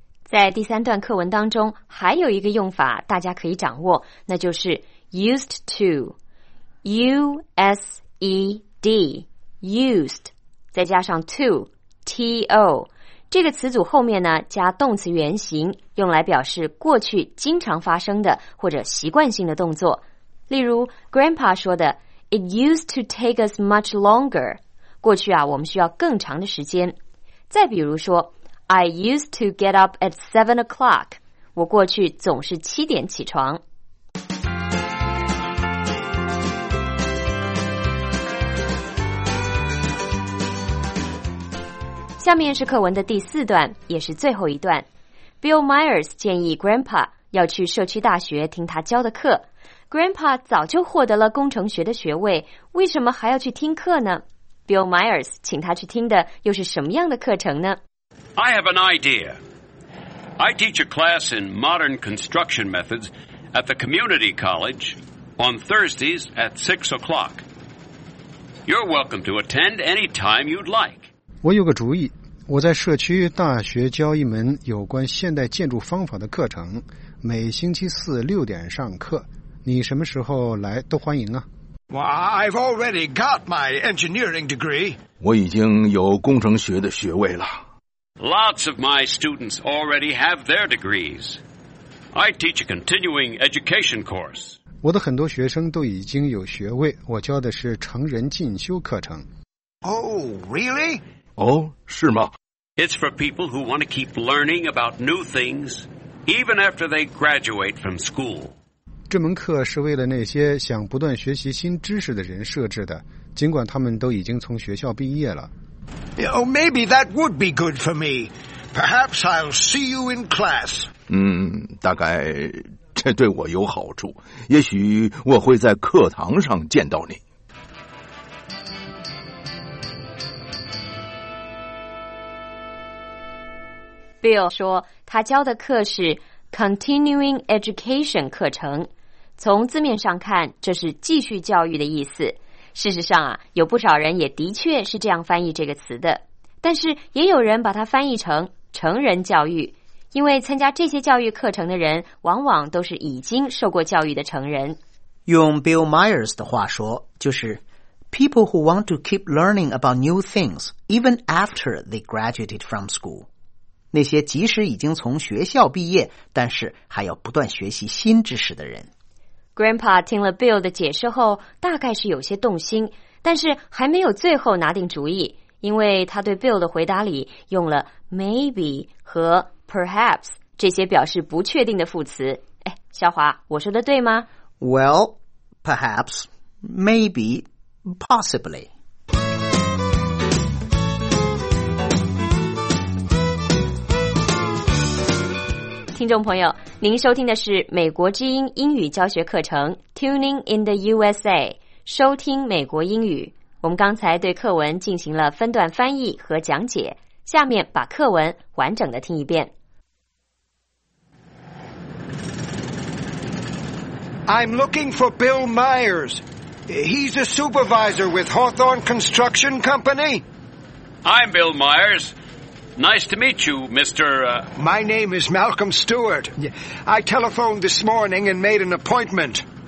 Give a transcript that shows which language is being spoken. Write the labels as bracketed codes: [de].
[zh] 在第三段课文当中，还有一个用法大家可以掌握，那就是 used to, U-S-E-D,used, 再加上 to, T-O, 这个词组后面呢加动词原形，用来表示过去经常发生的或者习惯性的动作。例如 Grandpa 说的 [en] It used to take us much longer, [zh] 过去啊我们需要更长的时间。再比如说 [en] I used to get up at 7 o'clock, [zh] 我过去总是7点起床。下面是课文的第四段，也是最后一段。Bill Myers 建议 Grandpa 要去社区大学听他教的课。 Grandpa 早就获得了工程学的学位，为什么还要去听课呢？Bill Myers 请他去听的又是什么样的课程呢 [en] ？I have an idea. I teach a class in modern construction methods at the community college on Thursdays at 6 o'clock. You're welcome to attend any time you'd like. [zh] 我有个主意，我在社区大学教一门有关现代建筑方法的课程，每星期四6点上课，你什么时候来都欢迎啊。 [en] Well, I've already got my engineering degree. [zh] 我已经有工程学的学位了。 [en] Lots of my students already have their degrees. I teach a continuing education course. [zh] 我的很多学生都已经有学位，我教的是成人进修课程。 [en] Oh, really? [zh] 哦，是吗？ [en] It's for people who want to keep learning about new things, even after they graduate from school. [zh] 这门课是为了那些想不断学习新知识的人设置的，尽管他们都已经从学校毕业了。 [en] Oh, maybe that would be good for me. Perhaps I'll see you in class. [zh] 大概这对我有好处。也许我会在课堂上见到你。 Bill 说他教的课是 Continuing Education 课程，从字面上看这是继续教育的意思。事实上啊，有不少人也的确是这样翻译这个词的，但是也有人把它翻译成成人教育，因为参加这些教育课程的人往往都是已经受过教育的成人。用 Bill Myers 的话说，就是 [en] People who want to keep learning about new things even after they graduated from school， [zh] 那些即使已经从学校毕业，但是还要不断学习新知识的人。 Grandpa 听了 Bill 的解释后，大概是有些动心，但是还没有最后拿定主意，因为他对 Bill 的回答里用了 maybe 和 perhaps 这些表示不确定的副词。哎，小华，我说的对吗？ [en] Well, perhaps, maybe, possibly. [zh] 听众朋友，您收听的是美国之音英语教学课程 Tuning in the USA， 收听美国英语。我们刚才对课文进行了分段翻译和讲解，下面把课文完整的听一遍。 [en] I'm looking for Bill Myers. He's a supervisor with Hawthorne Construction Company. I'm Bill MyersNice to meet you, Mr.... My name is Malcolm Stewart. I telephoned this morning and made an appointment.